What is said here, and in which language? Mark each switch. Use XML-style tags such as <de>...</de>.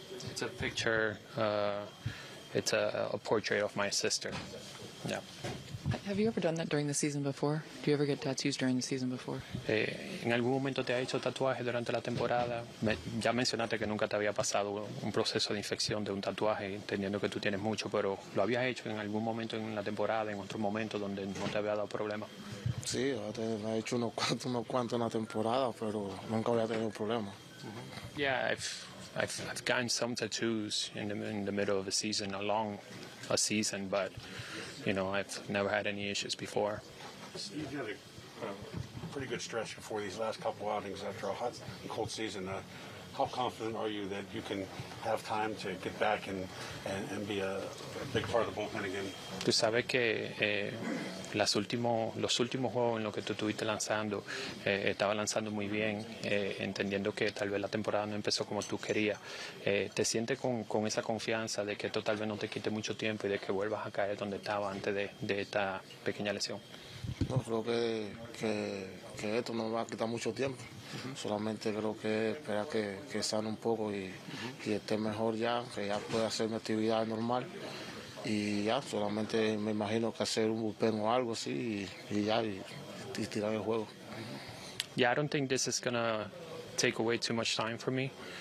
<en>It's a picture, it's a portrait of my sister. Yeah. Have you ever done that during the season before? Do you ever get tattoos during the season before?</en> <es>¿En algún momento te ha hecho tatuaje durante la temporada? Ya mencionaste que nunca te había pasado un proceso de infección de un tatuaje, entendiendo que tú tienes mucho, pero ¿lo habías hecho en algún momento en la temporada, en otro momento donde no te había dado problema? Sí, me he hecho unos cuantos en la temporada, pero nunca había tenido problema. Uh-huh.</es> <en>Yeah, I've gotten some tattoos in the middle of the season, along a season, but you know, I've never had any issues before. You've had a pretty good stretch before these last couple outings after a hot and cold season. How confident are you that you can have time to get back and be a big part of the bullpen again?</en> <es>Tú sabes que los últimos juegos en los que tú estuviste lanzando, estaba lanzando muy bien, entendiendo que tal vez la temporada no empezó como tú querías. ¿Te sientes con esa confianza de que esto tal vez no te quite mucho tiempo y de que vuelvas a caer donde estaba antes de esta pequeña lesión? No, creo que esto no va a quitar mucho tiempo. Uh-huh. Solamente creo que esperar que sane un poco y, uh-huh, y esté mejor ya, que ya pueda hacer mi actividad normal. Y ya, solamente me imagino que hacer un bullpen o algo así y tirar el juego.</es> <en>Yeah, I don't think this is gonna take away too much time for me.</en>